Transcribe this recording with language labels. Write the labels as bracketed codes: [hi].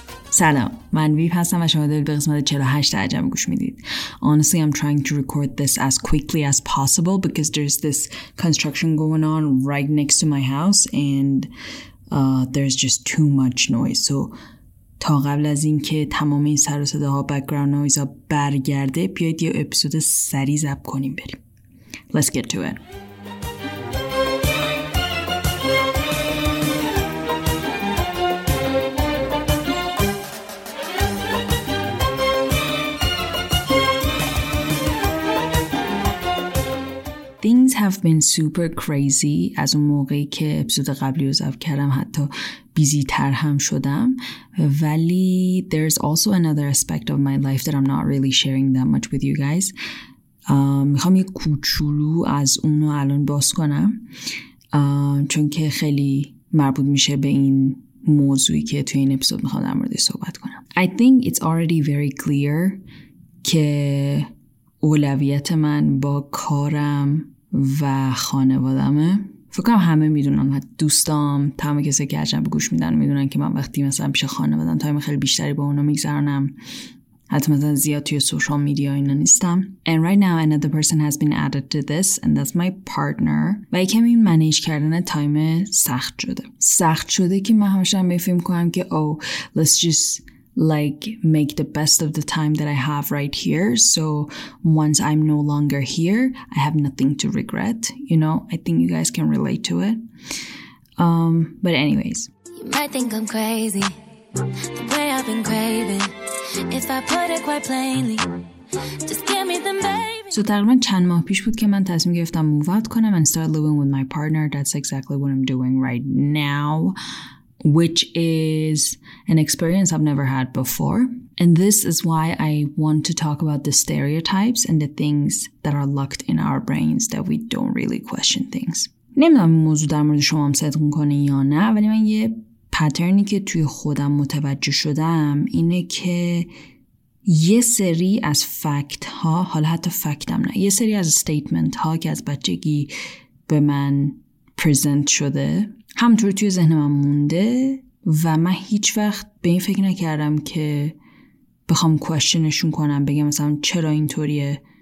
[fa] سلام، من ویپ هستم و شما دارید به قسمت 48 عجم گوش میدید. [en] Honestly, I'm trying to record this as quickly as possible because there's this construction going on right next to my house and there's just too much noise. [fa] So تا قبل از این که تمام این سر و صداها background noise ها برگرده، بیاید یه اپیزود سری ضبط کنیم بریم. [en] Let's get to it. Things have been super crazy. [fa] از اون موقعی که اپیزود قبلی رو ضبط کردم حتی بیزی تر هم شدم. ولی [en] there's also another aspect of my life that I'm not really sharing that much with you guys. [fa] میخوام یه کوچولو از اونو الان باز کنم چون که خیلی مربوط میشه به این موضوعی که توی این اپیزود میخوام در موردش صحبت کنم. [en] I think it's already very clear [fa] که اولویت من با کارم و خانوادمه. فکر کنم همه میدونن، حتی دوستام، تمام کسی که عجب گوش میدن میدونن که من وقتی مثلا پیش خانوادم تایم خیلی بیشتری با اونا میگذرونم، حتی مثلا زیاد توی سوشال میدیا اینا نیستم. [en] And right now another person has been added to this and that's my partner. [fa] و یکم این منیج کردن تایم سخت شده که من همشه هم بفهم کنم که [en] let's just make the best of the time that I have right here. So once I'm no longer here, I have nothing to regret. You know, I think you guys can relate to it. But anyways. You might think I'm crazy, the way I've been craving. If I put it quite plainly, just give me the baby. [fa] So تقریبا چند ماه پیش بود که من تصمیم گرفتم [en] move out [fa] کنم [en] and start living with my partner. That's exactly what I'm doing right now. Which is an experience I've never had before. And this is why I want to talk about the stereotypes and the things that are locked in our brains that we don't really question things. [fa] نمیدونم این موضوع در مورد شما هم صدق میکنه یا نه، ولی من یه پترنی که توی خودم متوجه شدم اینه که یه سری از فکت ها، حالا حتی فکت هم نه، یه سری از استیتمنت ها که از بچگی به من پریزنت شده همطور توی ذهن من مونده و من هیچ وقت به این فکر نکردم که بخوام کوشنشون کنم، بگم مثلا چرا اینطوریه.